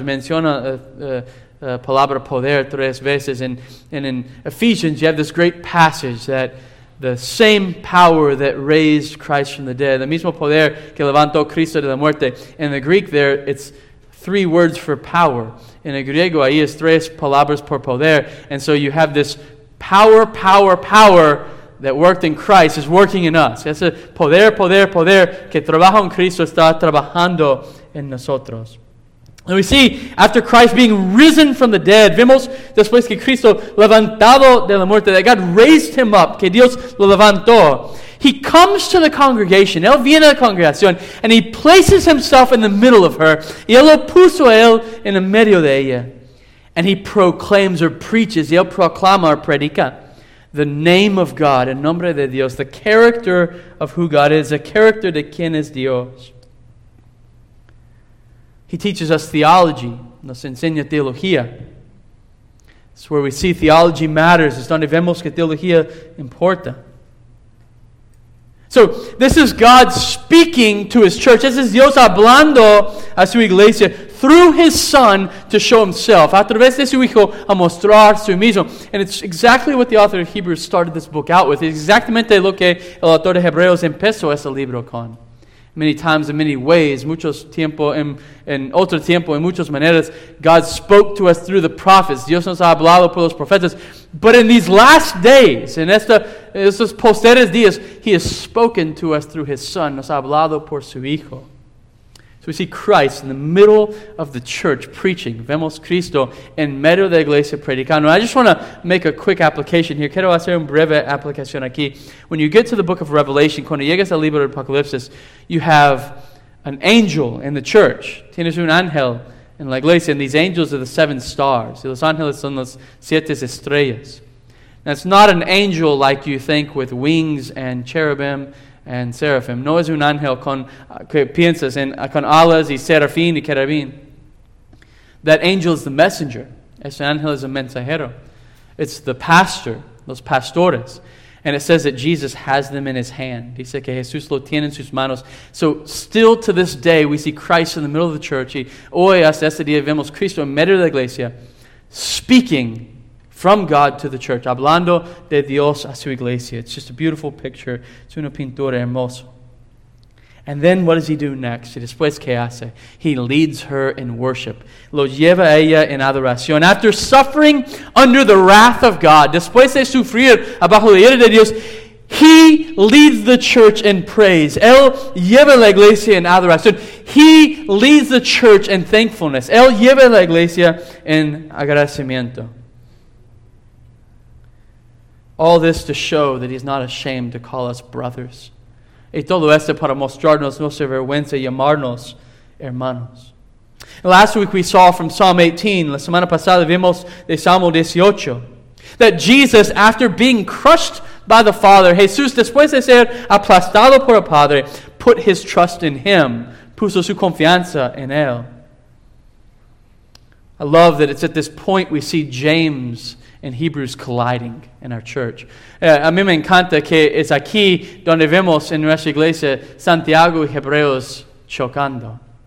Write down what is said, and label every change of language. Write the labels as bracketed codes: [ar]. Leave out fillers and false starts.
[es] Menciona la palabra poder tres veces. [en] And in Ephesians, you have this great passage that the same power that raised Christ from the dead, the [es] mismo poder que levantó Cristo de la muerte. [en] In the Greek there, it's three words for power. [es] In el griego, ahí es tres palabras por poder. [en] And so you have this power, power, power that worked in Christ is working in us. [es] Ese poder, poder, poder que trabaja en Cristo está trabajando en nosotros. [en] And we see, after Christ being risen from the dead, [es] vemos después que Cristo levantado de la muerte, [en] that God raised him up, [es] que Dios lo levantó. [en] He comes to the congregation, [es] él viene a la congregación, [en] and he places himself in the middle of her, [es] y él lo puso a él en el medio de ella. [en] And he proclaims or preaches, [es] y él proclama or predica, [en] the name of God, [es] el nombre de Dios, [en] the character of who God is, the character [es] de quien es Dios. [en] He teaches us theology. [es] Nos enseña teología. [en] It's where we see theology matters. [es] Es donde vemos que teología importa. [en] So, this is God speaking to His church. This is [es] Dios hablando a su iglesia [en] through His Son to show Himself. [es] A través de su Hijo a mostrar su mismo. [en] And it's exactly what the author of Hebrews started this book out with. [es] Exactamente lo que el autor de Hebreos empezó ese libro con. [en] Many times, in many ways, [es] muchos tiempo, en otro tiempo, en muchas maneras, [en] God spoke to us through the prophets. [es] Dios nos ha hablado por los profetas. [en] But in these last days, [es] en estos posteriores días, [en] He has spoken to us through His Son. [es] Nos ha hablado por su Hijo. [en] So we see Christ in the middle of the church preaching. [es] Vemos Cristo en medio de la iglesia predicando. [en] I just want to make a quick application here. [es] Quiero hacer un breve aplicación aquí. [en] When you get to the book of Revelation, [es] cuando llegas al libro de Apocalipsis, [en] you have an angel in the church. [es] Tienes un ángel en la iglesia, [en] and these angels are the seven stars. [es] Los ángeles son las siete estrellas. [en] Now, it's not an angel like you think with wings and cherubim and seraphim. [es] No es un ángel con alas y serafín y querubín. [en] That angel is the messenger. [es] Ese ángel es el mensajero. [en] It's the pastor, [es] los pastores. [en] And it says that Jesus has them in His hand. [es] Dice que Jesús lo tiene en sus manos. [en] So still to this day, we see Christ in the middle of the church. [es] Hoy hasta este día vemos Cristo en medio de la iglesia [en] speaking from God to the church. [es] Hablando de Dios a su iglesia. [en] It's just a beautiful picture. [es] Es una pintura hermosa. [en] And then what does He do next? [es] Y después, ¿qué hace? [en] He leads her in worship. [es] Lo lleva a ella en adoración. [en] After suffering under the wrath of God, [es] después de sufrir bajo la ira de Dios, [en] He leads the church in praise. [es] Él lleva la iglesia en adoración. [en] He leads the church in thankfulness. [es] Él lleva la iglesia en agradecimiento. [en] All this to show that He's not ashamed to call us brothers. [es] Y todo esto para mostrarnos nuestra vergüenza y llamarnos hermanos. [en] And last week we saw from Psalm 18, [es] la semana pasada vimos de Salmo 18, [en] that Jesus, after being crushed by the Father, [es] Jesús, después de ser aplastado por el Padre, [en] put His trust in Him, [es] puso su confianza en Él. [en] I love that it's at this point we see James and Hebrews colliding in our church. [es] A mí me encanta que es aquí donde vemos en nuestra iglesia Santiago y Hebreos chocando.